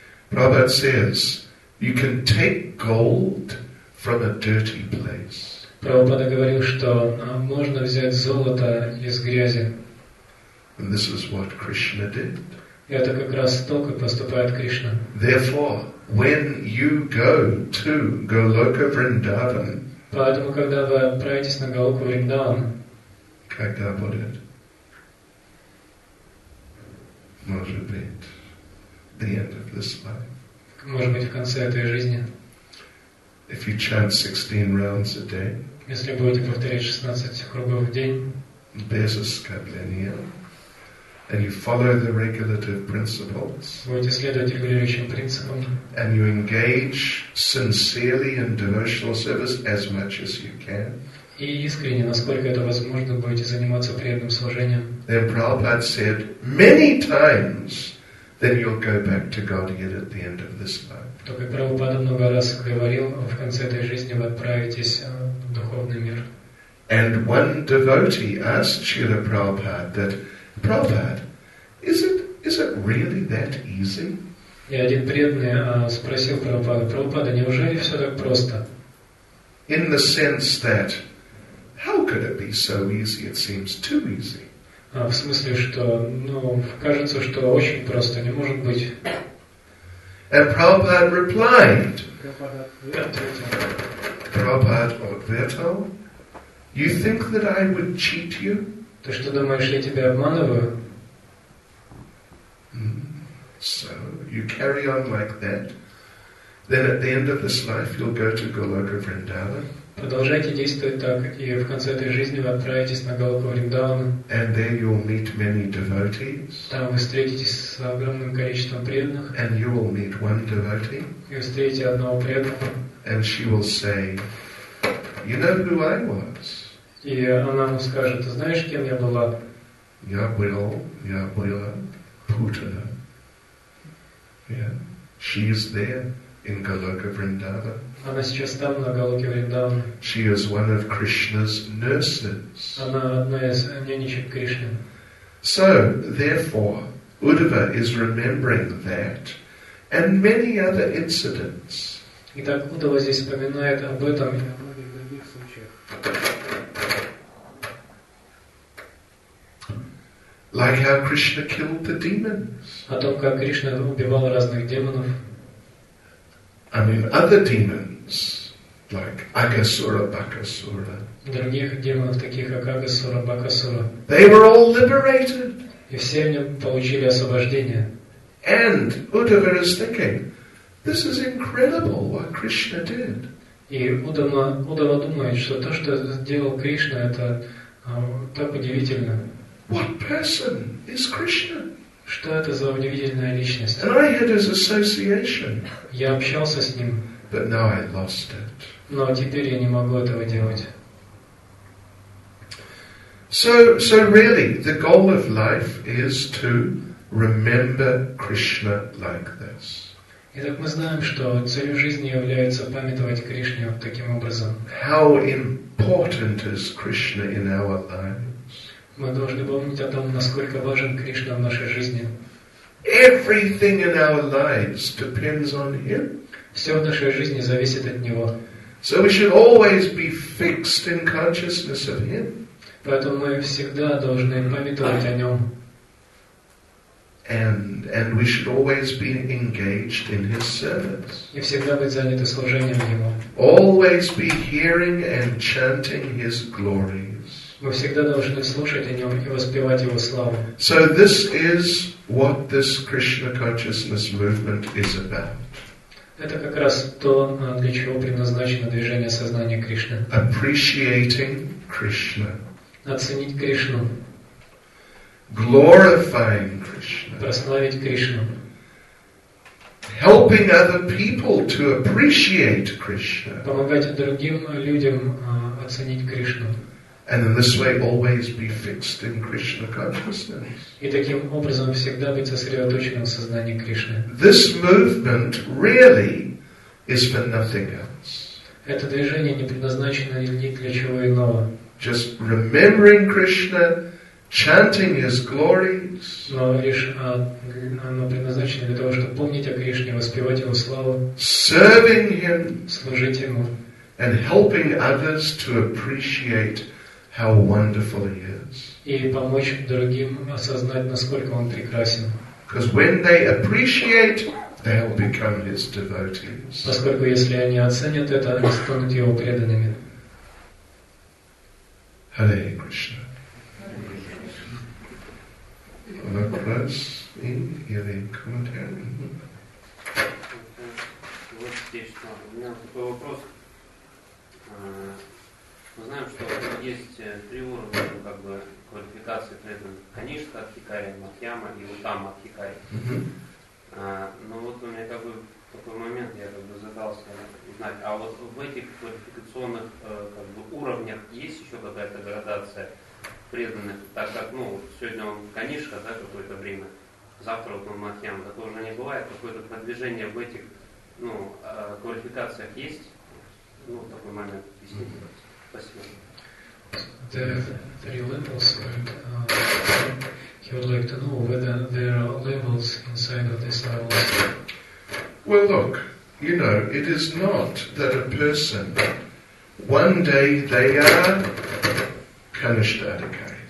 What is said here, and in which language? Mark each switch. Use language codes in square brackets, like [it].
[en] Prabhupada says, you can take gold from a dirty place. [ru] Прабхупада говорил, что можно взять золото из грязи. [en] And this is what Krishna did. [ru] И это как раз то, как поступает Кришна. [en] Therefore, when you go to Goloka Vrindavan, [ru] поэтому, когда вы отправитесь на Голоку Вриндаван, когда будет? Может быть, [en] the end of this life. [ru] Может быть, в конце этой жизни. [en] If you chant 16 rounds a day, [ru] если будете повторять 16 кругов в день, без оскорбления, [en] and you follow the regulative principles, [ru] будете следовать регулирующим принципам, [en] and you engage sincerely in devotional service as much as you can, [ru] и искренне, насколько это возможно, будете заниматься преданным служением, [en] then Prabhupada said many times, then you'll go back to Godhead at the end of this life. [ru] То, как Прабхупада много раз говорил, в конце этой жизни вы отправитесь в духовный мир. [en] And one devotee asked Srila Prabhupada that, Prabhupada, is it really that easy? [ru] И один преданный спросил Прабхупада, Прабхупада, неужели все так просто? [en] In the sense that, how could it be so easy? It seems too easy. [ru] В смысле, что, ну, кажется, что очень просто, не может быть. [en] And Prabhupada replied. Prabhupada [ru] ответил. [en] You think that I would cheat you? [ru] Ты что думаешь, я тебя обманываю? [en] So, you carry on like that. Then at the end of this life you'll go to Goloka Vrindavan. [ru] Продолжайте действовать так, и в конце этой жизни вы отправитесь на Голоку Вриндавана. [en] And there you'll meet many devotees. [ru] Там вы встретитесь с огромным количеством преданных. [en] And you will meet one devotee. [ru] И встретите одного преданного. [en] And she will say, you know who I was? [ru] И она вам скажет, ты знаешь, кем я была? Я была Путана. Yeah. [en] She is there in Goloka Vrindavan. [ru] Она сейчас там, на Голоке Вриндаване. [en] She is one of Krishna's nurses. [ru] Она одна из нянечек Кришны. [en] So, therefore, Uddhava is remembering that and many other incidents. [ru] Итак, Уддхава здесь вспоминает об этом. [en] Like how Krishna killed the demons. [ru] О том, как Кришна убивал разных демонов. [en] I mean, other demons. Like Agasura, Bakasura. [ru] Других демонов, таких как Агасура, Бакасура. [en] They were all liberated. [ru] И все они получили освобождение. [en] And Uddhava is thinking, this is incredible what Krishna did. [ru] И Уддхава думает, что то, что сделал Кришна, это так удивительно. [en] What person is Krishna? [ru] Что это за удивительная личность? [en] And I had his association. [ru] Я общался с ним. [en] But now I lost it. [ru] Но теперь я не могу этого делать. [en] So really, the goal of life is to remember Krishna like this. [ru] Итак, мы знаем, что целью жизни является памятовать Кришну таким образом. [en] How important is Krishna in our lives? [ru] Мы должны помнить о том, насколько важен Кришна в нашей жизни. [en] Everything in our lives depends on Him. [ru] Все в нашей жизни зависит от Него. [en] So we should always be fixed in consciousness of Him. [ru] Поэтому мы всегда должны памятовать о Нем. [en] And we should always be engaged in His service. [ru] И всегда быть заняты служением Ему. [en] Always be hearing and chanting His glories. [ru] Мы всегда должны слушать о Нем и воспевать Его славу. [en] So this is what this Krishna consciousness movement is about. [ru] Это как раз то, для чего предназначено движение сознания Кришны. [en] Appreciating Krishna. [ru] Оценить Кришну. [en] Glorifying Krishna. [ru] Прославить Кришну. [en] Helping other people to appreciate Krishna. [ru] Помогать другим людям оценить Кришну. [en] And in this way always be fixed in Krishna consciousness. [ru] И таким образом всегда быть сосредоточенным в сознании Кришны. [en] This movement really is for nothing else. [ru] Это движение не предназначено ни для чего иного. [en] Just remembering Krishna, chanting His glories. [ru] Но оно предназначено для того, чтобы помнить о Кришне, воспевать Его славу. [en] Serving Him. [ru] Служить Ему. [en] And helping others to appreciate how wonderful He is. [ru] И помочь другим осознать, насколько Он прекрасен. [en] Because when they appreciate, they will become His devotees. [ru] Поскольку если они оценят это, они станут Его преданными. [en] Hare Krishna. [ru] Вопрос или комментарий? Вот здесь что. У меня такой вопрос. Мы знаем, что есть три уровня, ну, как бы, квалификации преданных. Канишка Адхикари, Матхьяма и Утама Адхикари. Но вот у меня такой момент, я как бы задался узнать, а вот в этих квалификационных как бы уровнях есть еще какая-то градация преданных, так как, ну, сегодня он Канишка, да, какое-то время, завтра вот он Матхьяма, такого уже не бывает, какое-то продвижение в этих, ну, квалификациях есть? Ну, такой момент, объясните. [en] The three levels, and he would like to know whether there are levels inside of this level. Well, look, you know, it is not that a person, one day they are Kanishtha Adhikari.